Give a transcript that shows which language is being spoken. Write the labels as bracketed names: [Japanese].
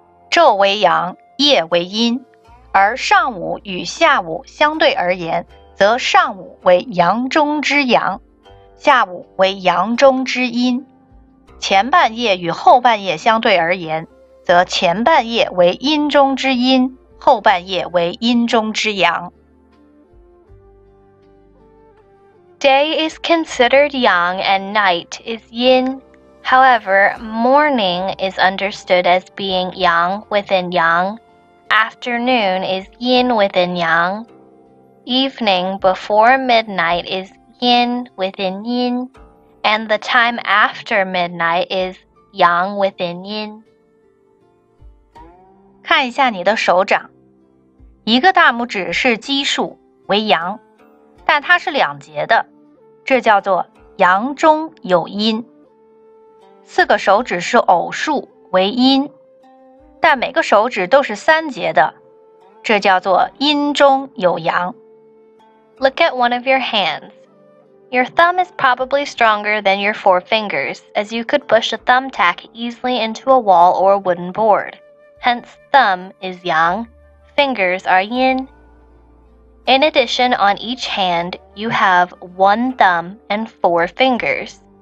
[Chinese] 昼为阳，夜为阴。而上午与下午相对而言，则上午为阳中之阳，下午为阳中之阴。前半夜与后半夜相对而言，则前半夜为阴中之阴，后半夜为阴中之阳。 [English] Day is considered yang and night is yin. However, morning is understood as being yang within yang.Afternoon is yin within yang. evening before midnight is yin within yin, and the time after midnight is yang within yin. [Chinese] 看一下你的手掌，一个大拇指是奇数为阳，但它是两节的，这叫做阳中有阴。四个手指是偶数为阴，但每个手指都是三节的，这叫做阴中有阳。 [English] Look at one of your hands. Your thumb is probably stronger than your four fingers, as you could push a thumbtack easily into a wall or a wooden board. Hence, thumb is yang, fingers are yin. In addition, on each hand, you have one thumb and four fingers.